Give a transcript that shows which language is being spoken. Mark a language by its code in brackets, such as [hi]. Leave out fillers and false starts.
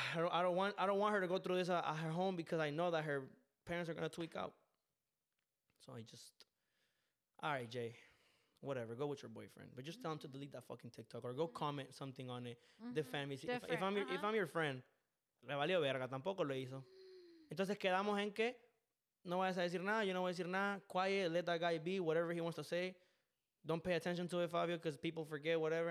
[en] I don't want her to go through this at her home because I know that her parents are gonna tweak out. So I just, all right, Jay, whatever, go with your boyfriend, but just tell him to delete that fucking TikTok or go comment something on it. Defend me. If I'm your friend, [es] le valió verga, tampoco lo hizo. Entonces quedamos en que no vayas a decir nada. Yo no voy a decir nada. [en] Quiet. Let that guy be. Whatever he wants to say. Don't pay attention to it, Fabio, because people forget, whatever.